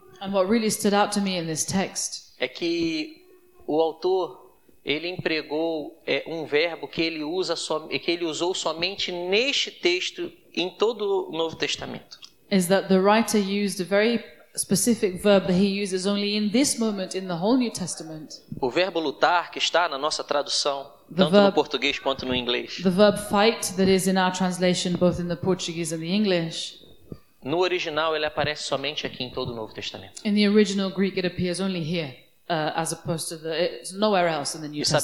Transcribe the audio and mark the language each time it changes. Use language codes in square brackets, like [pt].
[en] And what really stood out to me in this text. [pt] É que o autor ele empregou um verbo que ele usa que ele usou somente neste texto em todo o Novo Testamento. [en] Is that the writer used a very specific verb that he uses only in this moment in the whole New Testament. [pt] O verbo lutar que está na nossa tradução, tanto verb, no português quanto no inglês. [en] The verb fight that is in our translation both in the Portuguese and the English. [pt] No original ele aparece somente aqui em todo o Novo Testamento. [en] In the original Greek it appears only here as opposed to the it's nowhere else in the New Testament.